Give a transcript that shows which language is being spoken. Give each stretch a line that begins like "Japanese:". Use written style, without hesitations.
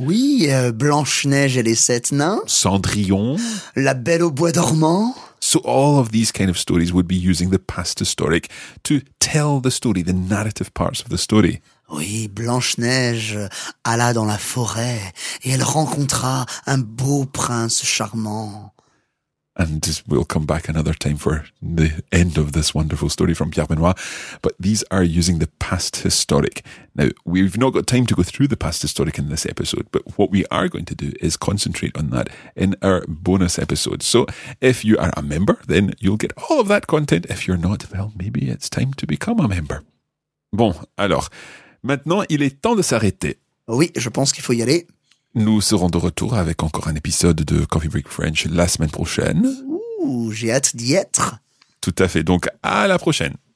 French: Oui, Blanche-Neige et les Sept Nains. Cendrillon. La Belle au Bois Dormant.
English: So all of these kind of stories would be using the past historic to tell the story, the narrative parts of the story.
French: Oui, Blanche-Neige alla dans la forêt et elle rencontra un beau prince charmant.
English: And we'll come back another time for the end of this wonderful story from Pierre Benoit. But these are using the past historic. Now, we've not got time to go through the past historic in this episode, but what we are going to do is concentrate on that in our bonus episode. So if you are a member, then you'll get all of that content. If you're not, well, maybe it's time to become a member.
French: Bon, alors, maintenant, il est temps de s'arrêter. Oui, je pense qu'il faut y aller. Nous serons de retour avec encore un épisode de Coffee Break French la semaine prochaine. Ouh, j'ai hâte d'y être. Tout à fait, donc à la prochaine.